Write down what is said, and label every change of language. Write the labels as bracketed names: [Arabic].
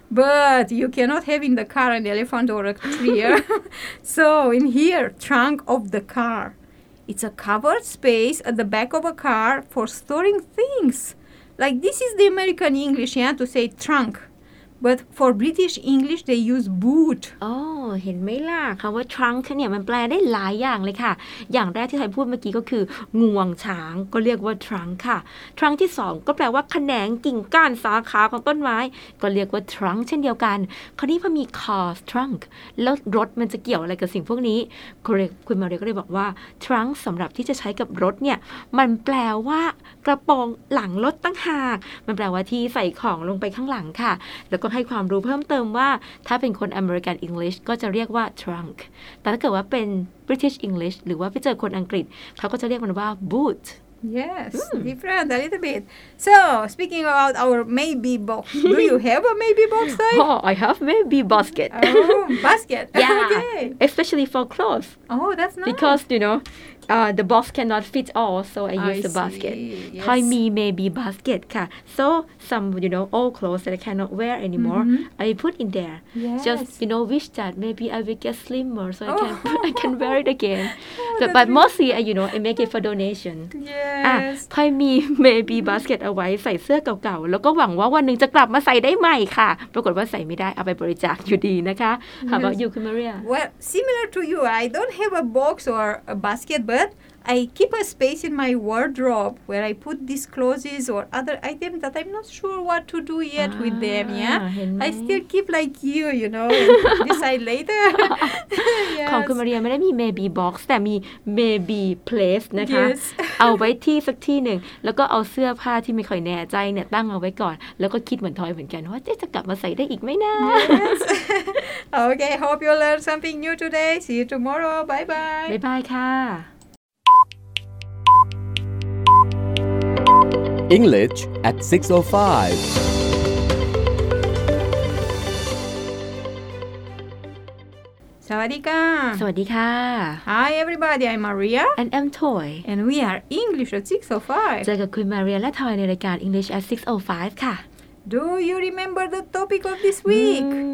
[English] But you cannot have in the car an elephant or a tree. So in here, trunk of the car. It's a covered space at the back of a car for storing things. Like this is the American English, yeah, to say trunk. But for British English, they use boot. [Thai] Oh, เห็นไหมล่ะคำว่า trunk เนี่ยมันแปลได้หลายอย่างเลยค่ะอย่างแรกที่ไทยพูดเมื่อกี้ก็คืองวงช้างก็เรียกว่า trunk ค่ะ trunk ที่สองก็แปลว่าแขนงกิ่งก้านสาขาของต้นไม้ก็เรียกว่า trunk เช่นเดียวกันคราวนี้พอมี car trunk แล้วรถมันจะเกี่ยวอะไรกับสิ่งพวกนี้ คุณมาเรียก็เลยบอกว่า trunk สำหรับที่จะใช้กับรถเนี่ยมันแปลว่ากระโปรงหลังรถตั้งหากมันแปลว่าที่ใส่ของลงไปข้างหลังค่ะแล้วก็ให้ความรู้เพิ่มเติมว่าถ้าเป็นคนอเมริกันอังกฤษก็จะเรียกว่า trunk แต่ถ้าเกิดว่าเป็น British English หรือว่าไปเจอคนอังกฤษเขาก็จะเรียกมันว่า boot [English] yes different a little bit so speaking about our maybe box do you have a maybe box side? Oh I have maybe basket oh basket yeah okay. especially for clothes oh that's nice because you knowthe box cannot fit all, so I use the basket. Yes. I mean, maybe basket, ka. So some, you know, old clothes that I cannot wear anymore, mm-hmm. I put in there. Yes. Just, you know, wish that maybe I will get slimmer so I can wear it again. Oh, so, but mostly, you know, I make it for donation. Yes. I mean, maybe basket [Thai] เอาไว้ใส่เสื้อเก่าๆแล้วก็หวังว่าวันหนึ่งจะกลับมาใส่ได้ใหม่ค่ะปรากฏว่าใส่ไม่ได้เอาไปบริจาคอยู่ดีนะคะ [English] yes. How about you, Kumaria? Well, similar to you, I don't have a box or a basket,But I keep a space in my wardrobe where I put these clothes or other items that I'm not sure what to do yet with them. Yeah, I still keep like you know, decide later. [Thai] ของคุณมาเรียไม่ได้มี maybe box แต่มี maybe place นะคะ [English] yes. [Thai] เอาไว้ที่สักที่หนึ่งแล้วก็เอาเสื้อผ้าที่ไม่ค่อยแน่ใจเนี่ยตั้งเอาไว้ก่อนแล้วก็คิดเหมือนทอยเหมือนกันว่าจะกลับมาใส่ได้อีกไหมนะ [English] yes. Okay, hope you learned something new today. See you tomorrow. Bye bye. Bye bye ค่ะEnglish at 6:05. [Thai] สวัสดีค่ะ สวัสดีค่ะ [English] Hi everybody, I'm Maria and I'm Toy and we are English at 6:05. [Thai] เจอกับคุณมาเรียและทอยในรายการ English at 6:05 ค่ะ [English] Do you remember the topic of this week?